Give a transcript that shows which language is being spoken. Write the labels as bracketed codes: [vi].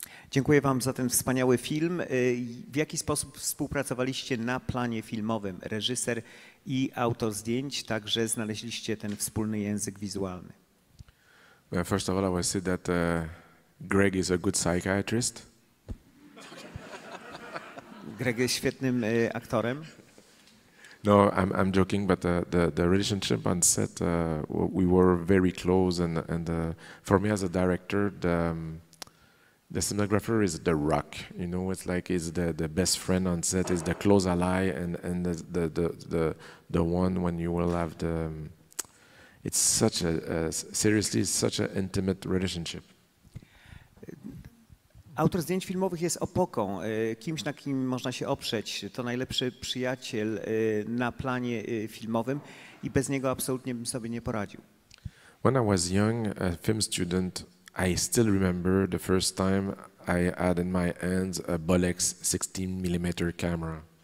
[pl] Dziękuję wam za ten wspaniały film. W jaki sposób współpracowaliście na planie filmowym, reżyser i autor zdjęć, także znaleźliście ten wspólny język wizualny? [en] Well, first of all, I would say that Greig is a good psychiatrist. [pl] Greig jest świetnym aktorem. [en] No, I'm joking, but the relationship on set, we were very close, and for me as a director, the cinematographer is the rock, you know. It's like he's the best friend on set, is the close ally, and the one when you will have the, it's such a seriously, it's such an intimate relationship. [pl] Autor zdjęć filmowych jest opoką, kimś, na kim można się oprzeć. To najlepszy przyjaciel na planie filmowym i bez niego absolutnie bym sobie nie poradził. [en] When I was young, a film student, I still remember the first time I had in my hands a Bolex 16mm camera.